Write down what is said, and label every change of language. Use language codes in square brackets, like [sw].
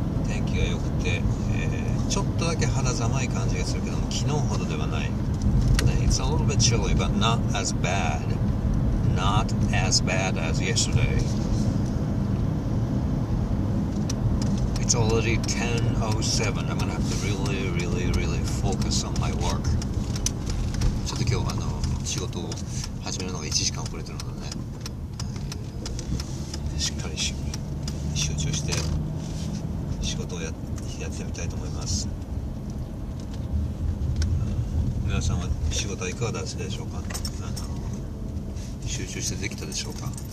[ja] 天気が良くて、ちょっとだけ肌寒い感じがするけども、昨日ほどではない。 [en] It's a little bit chilly, but not as bad. Not as bad as yesterday. It's already 10:07. I'm gonna have to really, really, really focus on my work. [ja] ちょっと今日あの仕事を始めるのが1時間遅れてるのでね。しっかり集中して仕事を やってみたいと思います。皆さんは仕事はいかがだったでしょうか。集中してできたでしょうか。